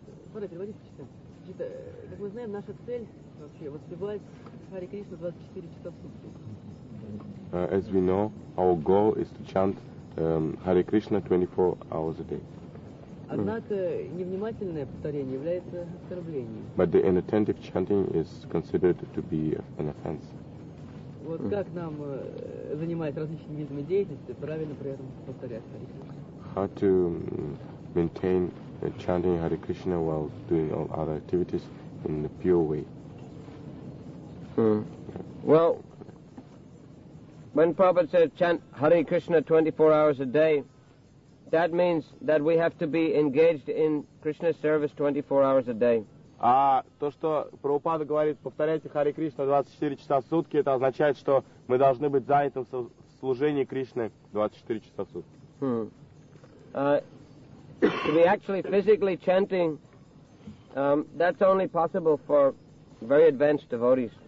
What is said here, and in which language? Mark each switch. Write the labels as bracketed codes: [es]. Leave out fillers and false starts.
[ru] Смотри, переводите, почитайте. Как мы знаем, наша цель вообще воспевать Харе Кришна 24 часа в сутки. [en] As we know, our goal is to chant Hare Krishna 24 hours a day. [ru] Однако невнимательное повторение является оскорблением. [en] But the inattentive chanting is considered to be an offense. [ru] Вот как нам занимать различными видами деятельности, правильно при этом повторять Hare Krishna? [en] How to maintain chanting Hare Krishna while doing all other activities in a pure way? Well, when Prabhupada said chant Hare Krishna 24 hours a day, that means that we have to be engaged in Krishna's service 24 hours a day. [ru] А то, что Прабхупада говорит, повторяйте Харе Кришна 24 часа в сутки, это означает, что мы должны быть заняты в служении Кришны 24 часа в сутки. [en] To be actually physically chanting, that's only possible for very advanced devotees.